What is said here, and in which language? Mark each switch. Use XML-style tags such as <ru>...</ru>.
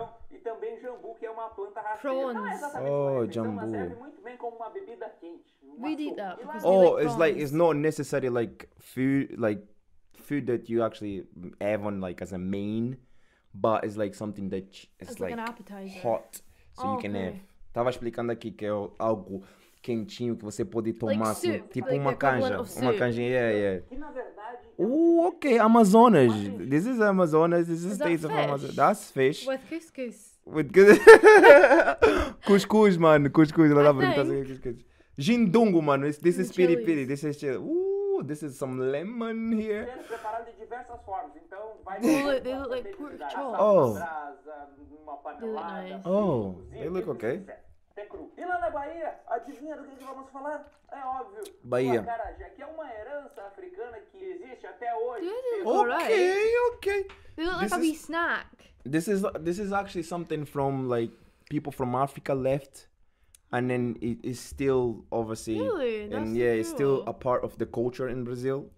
<pt>E também jambu, que é uma planta rasteira. Prawns.</pt> <en>Oh, jambu.</en> <pt>Serve muito bem como uma bebida quente.</pt> <en>We'd eat that. Oh, it's like, it's not necessary like food that you actually have on like as a main, but it's like something that is like an appetizer. Hot, so you can have.</en> <pt>Tava explicando aqui que é algo quentinho que você pode tomar,</pt> <en>like soup,</en> <pt>assim, tipo uma canja. Uma canja, yeah. Ok, Amazonas.</pt> <en>This is Amazonas, this is States of Amazonas. That's fish. With couscous. With couscous. Couscous, mano. Couscous.</en> <pt>Ela tá brincando com couscous. Jindungo, mano.</pt> <en>This is piripiri. This is chili. This is some lemon here.</en> <pt>Eles prepararam de diversas formas, então vai.</pt> <en>Oh, they look like pork chops. Oh.</en> <pt>Uma panelada.</pt> <en>Oh, they look okay.</en> <pt>É cru. E lá na Bahia, adivinha do que vamos falar? É óbvio. Bahia. O acarajé, que é uma herança africana que existe até hoje. Ok.</pt> <en>You look like a wee snack. This is actually something from like people from Africa left, and then it's still obviously that's cool. It's still a part of the culture in Brazil.</en>